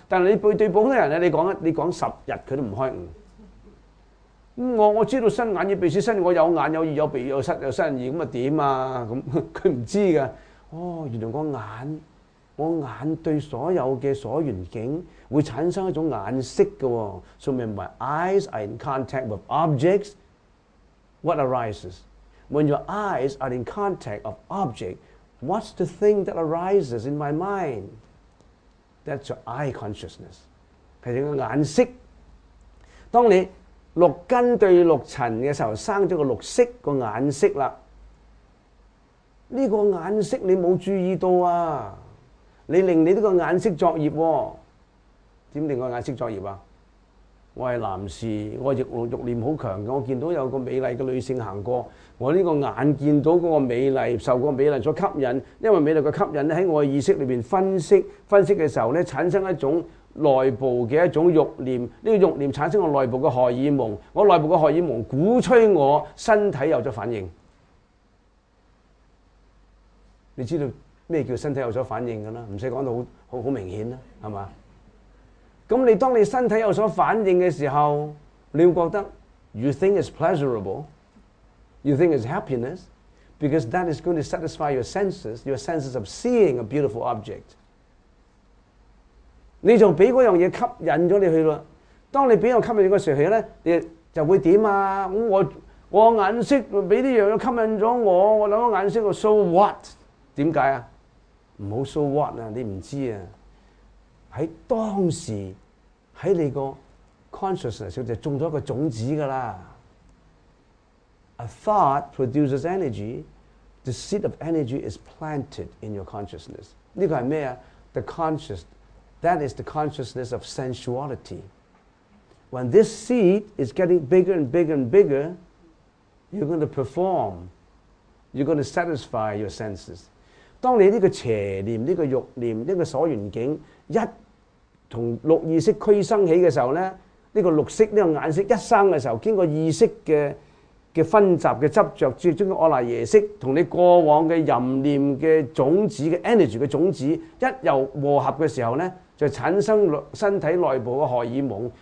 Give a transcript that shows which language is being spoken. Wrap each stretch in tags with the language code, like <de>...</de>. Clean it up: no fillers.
<zh>但是你對普通人，你講十日他都不開悟。我知道身眼耳鼻舌身，我有眼有耳有鼻有身有身耳，那怎樣啊？他不知道的。哦，原來我眼對所有的所緣境會產生一種眼色的。</zh> <en>So my eyes are in contact with objects, what arises? When your eyes are in contact of object, what's the thing that arises in my mind? That's your eye consciousness.</en> <zh>是你的眼色。当你六根對六塵的時候生了個綠色的眼色了。這個眼色你沒有注意到啊，你令你這個眼色作業、啊、怎麼令我眼色作業啊？我是男士，我的慾念很強，我看到有個美麗的女性走過，我這個眼見到那個美麗，受過美麗所吸引，因為美麗的吸引在我的意識裡面分析，分析的時候呢產生一種內部的一種慾念，這個慾念產生我內部的荷爾蒙，我內部的荷爾蒙鼓吹我身體有了反應。你知道什麼叫身體有了反應的，不用說得 很明顯，是吧？那你當你身體有所反應的時候，你會覺得</zh> <en>You think it's pleasurable, You think it's happiness, Because that is going to satisfy your senses, Your senses of seeing a beautiful object.</en> <zh>你就被那樣東西吸引了你去了。當你被那樣吸引的時候，你就會怎樣啊？我眼色被這樣吸引了我，我想眼色</zh> <en>So what?</en> <zh>為什麼啊？不要</zh> <en>So what</en> <zh>啊，你不知道啊。在當時在你的 consciousness 就種了一個種子的啦。</zh> <en>A thought produces energy, The seed of energy is planted in your consciousness.</en> <zh>這個是什麼？</zh> <en>The conscious, That is the consciousness of sensuality. When this seed is getting bigger and bigger and bigger, You're going to perform, You're going to satisfy your senses.</en> <zh>當你這個邪念、這個慾念、這個所緣境一從六意識驅生起的時候，這個綠色、這個眼色一生的時候，經過意識 的分集的執著，最終的阿賴耶識和你過往的淫念的種子的 energy 的種子一又和合的時候，就產生身體內部的荷爾蒙。</zh>